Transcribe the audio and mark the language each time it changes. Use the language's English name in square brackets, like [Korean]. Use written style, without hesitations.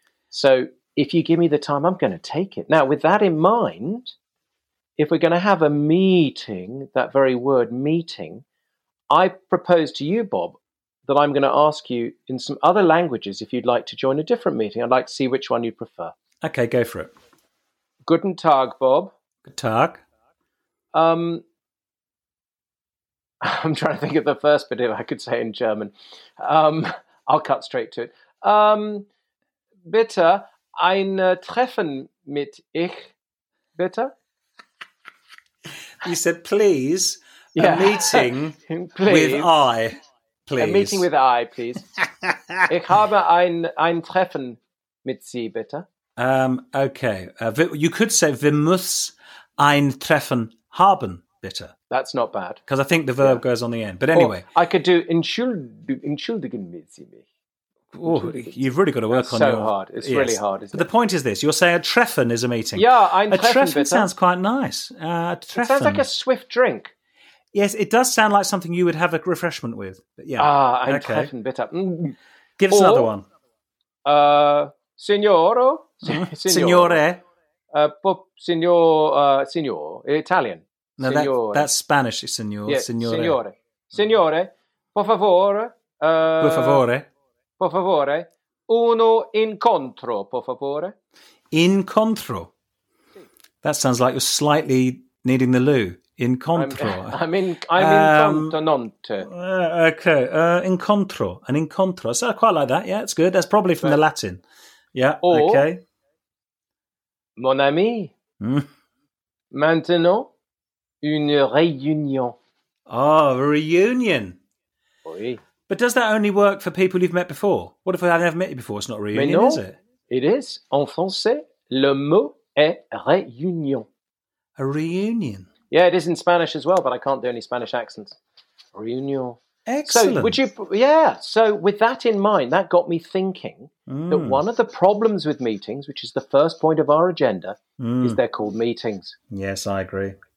[English] So if you give me the time, I'm going to take it. Now, with that in mind, if we're going to have a meeting, that very word meeting, I propose to you, Bob, that I'm going to ask you in some other languages if you'd like to join a different meeting. I'd like to see which one you'd prefer. Okay, go for it. [German] Guten Tag, Bob. Guten Tag. [English] I'm trying to think of the first bit if I could say in German. I'll cut straight to it. [German] Bitte ein Treffen mit ich, bitte. [English] You said, please, yeah. A meeting please. With I, please. A meeting with I, please. [German] Ich habe ein Treffen mit Sie, bitte. [English] Okay. You could say, [German] wir müssen ein Treffen haben, bitte. [English] That's not bad. Because I think the verb goes on the end. But anyway. Or I could do, [German] entschuldigen mit Sie mich. [English] Oh, you've really got to work that's on so your... hard. It's really hard, isn't but But the point is this. You'll say a treffen is a meeting. Yeah, ein treffen, a treffen sounds quite nice. A treffen. It sounds like a swift drink. Yes, it does sound like something you would have a refreshment with. Yeah. Ah, I'm okay. Tight and bitter. Mm. Give us another one. [Italian] Signoro? Signore? [English] Signor, Italian. No, that's Spanish, signor. Yeah, signore. [Italian] Signore. Signore, por favore. Por favore. Por favore. Uno incontro, por favore. Incontro. [English] That sounds like you're slightly needing the loo. [Italian] Incontro. [English] I'm incontinente. Okay. Incontro. An incontro. So I quite like that. Yeah, it's good. That's probably from the Latin. Yeah. Or, okay. [French] Mon ami. Mm. Maintenant, une réunion. [English] Oh, a reunion. [French] Oui. [English] But does that only work for people you've met before? What if I've never met you before? It's not a reunion, [French] non, [English] is it? It is. [French] En français, le mot est réunion. [English] A reunion. Yeah, it is in Spanish as well, but I can't do any Spanish accents. Reunion. Excellent. So, so with that in mind, that got me thinking that one of the problems with meetings, which is the first point of our agenda, is they're called meetings. Yes, I agree.